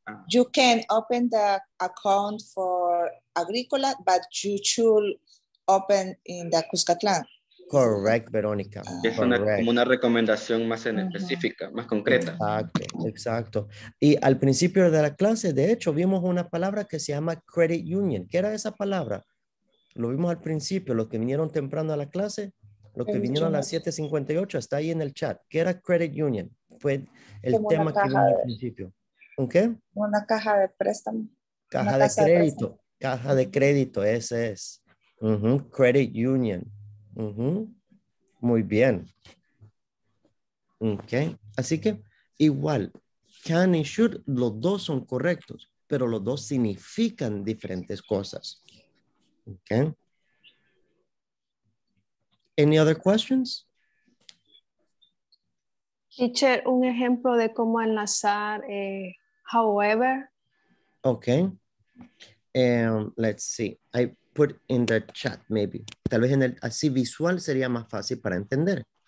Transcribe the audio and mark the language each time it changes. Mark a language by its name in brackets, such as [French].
[English] You can open the account for Agricola, but you should open in the Cuscatlán. Correct, Veronica. [Spanish] Es como una recomendación más en específica, más concreta. Exacto, exacto. Y al principio de la clase, de hecho, vimos una palabra que se llama credit union. ¿Qué era esa palabra? Lo vimos al principio, los que vinieron temprano a la clase, los que vinieron a las 7:58, está ahí en el chat. ¿Qué era credit union? Fue el como tema que vimos al principio. ¿Un qué? Una caja de préstamo. Caja de crédito. De caja de crédito, ese es. Uh-huh. Credit union. Uh-huh. Muy bien. Ok. Así que, igual, can y should, los dos son correctos, pero los dos significan diferentes cosas. Ok. [English] Any other questions? [Spanish] Teacher, un ejemplo de cómo enlazar... However. [English] Okay. Let's see. I put in the chat, maybe. [Spanish] Tal vez en el así visual sería más fácil para entender.